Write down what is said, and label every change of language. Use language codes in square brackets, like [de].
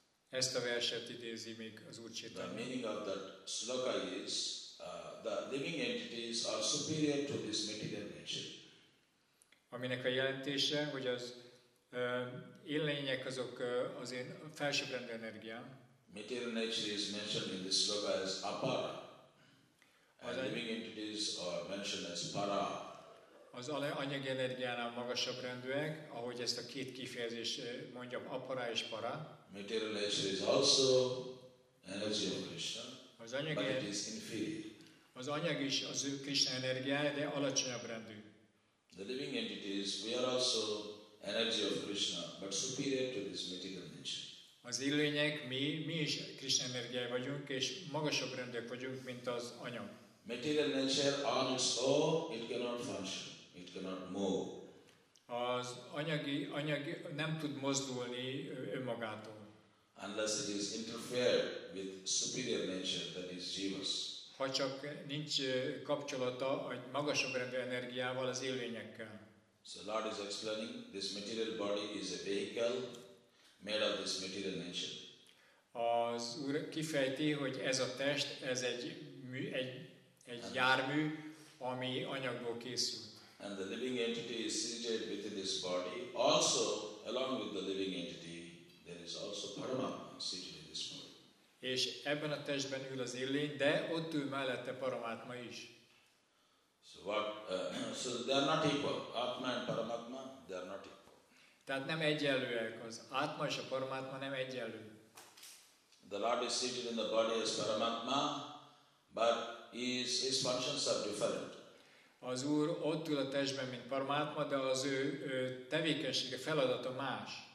[hu] Ezt a verset idézi még az Úr Chaitanya. [en] The meaning of that sloka is the living entities are superior to this material nature. [hu] Aminek a jelentése, hogy az élőlények azok az én felsőbbrendű energiám. [en] Material nature is mentioned in this sloka as apara. And living entities are mentioned as para. [hu] Az anyagi energiánál magasabb rendűek, ahogy ezt a két kifejezés mondja, apara és para. [en] Material nature is also energy of Krishna. [hu] Az anyagi [en] but it is inferior. [hu] Az anyag is az ő Krishna energiája, de alacsonyabb rendű. [en] The living entities, we are also energy of Krishna, but superior to this material nature. [hu] Az élőlények, mi is Krishna energiája vagyunk, és magasabb rendűek vagyunk, mint az anyag. [en] Material nature on its own, it cannot function, it cannot move. [hu] Az anyag nem tud mozdulni önmagától. [en] Unless it is interfered with superior nature, that is jivas. [hu] Ha csak nincs kapcsolata a magasabb rendű energiával az élőlényekkel. [en] So Lord is explaining this material body is a vehicle made of this material nature. [hu] Az Úr kifejti, hogy ez a test, ez egy jármű, ami anyagból készül. [en] And the living entity is situated within this body. Also, along with the living entity, there is also Paramatma situated in this body. [hu] És ebben a testben ül az élőlény, de ott ül mellette Paramatma is. [en] So they are not equal. Atma and Paramatma, they are not equal. [hu] Tehát nem egyenlőek az. Atma és a Paramatma nem egyenlő. The Lord is seated in the body as Paramatma, but his functions are different. Az Úr ott ül a testben, mint Paramatma, de az ő tevékenysége, feladata más.